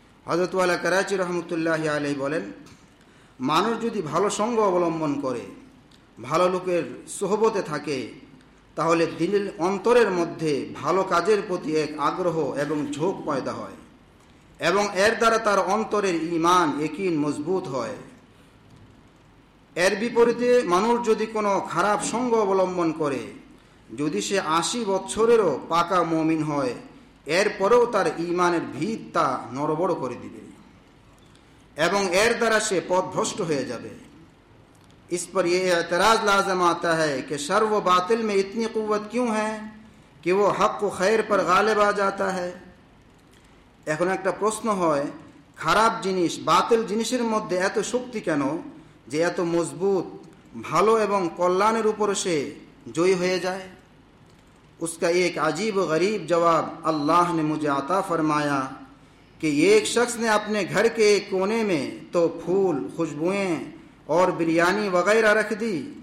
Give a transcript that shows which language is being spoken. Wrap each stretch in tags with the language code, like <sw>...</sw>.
<bn>حضرت والا کراچی رحمۃ اللہ علیہ بولین مانور جدی بھالو سنگ اولمبن کرے ভালো লোকের সোহবতে থাকে তাহলে দিলের অন্তরের মধ্যে ভালো কাজের প্রতি এক আগ্রহ এবং ঝোঁক পয়দা হয় এবং এর দ্বারা তার অন্তরের ঈমান ইকিন মজবুত হয়। এর বিপরীতে মানুষ যদি কোনো খারাপ সঙ্গ অবলম্বন করে, যদি সে 80 বছরেরও পাকা মুমিন হয়, এরপরেও তার ঈমানের ভিত তা নড়বড় করে দিবে এবং এর দ্বারা সে পথভ্রষ্ট হয়ে যাবে।</bn> <ur>اس پر یہ اعتراض لازم آتا ہے کہ شر و باطل میں اتنی قوت کیوں ہے کہ وہ حق و خیر پر غالب آ جاتا ہے۔</ur> <bn>এখন একটা প্রশ্ন হয়, খারাপ জিনিস বাতিল জিনিসের মধ্যে এত শক্তি কেন যে এত মজবুত ভালো এবং কল্যাণের উপর সে জয়ী হয়ে যায়।</bn> <ur>اس کا ایک عجیب و غریب جواب اللہ نے مجھے عطا فرمایا کہ ایک شخص نے اپنے گھر کے ایک کونے میں تو پھول خوشبوئیں اور بریانی وغیرہ رکھ دی</ur>